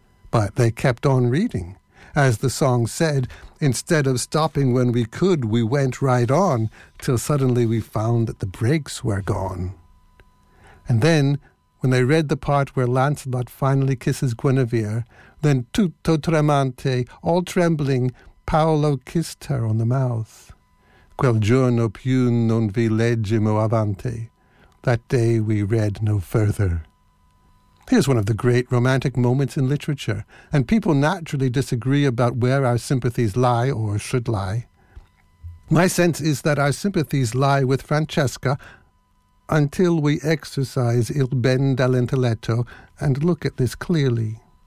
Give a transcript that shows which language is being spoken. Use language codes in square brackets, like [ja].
[en] But they kept on reading. As the song said, instead of stopping when we could, we went right on, till suddenly we found that the brakes were gone. And then, when they read the part where Lancelot finally kisses Guinevere, then [it] tutto tremante, [en] all trembling, Paolo kissed her on the mouth. [it] Quel giorno più non vi leggemo avanti. [en] That day we read no further. Here's one of the great romantic moments in literature, and people naturally disagree about where our sympathies lie or should lie. My sense is that our sympathies lie with Francesca until we exercise [it] il ben dall'intelletto [en] and look at this clearly.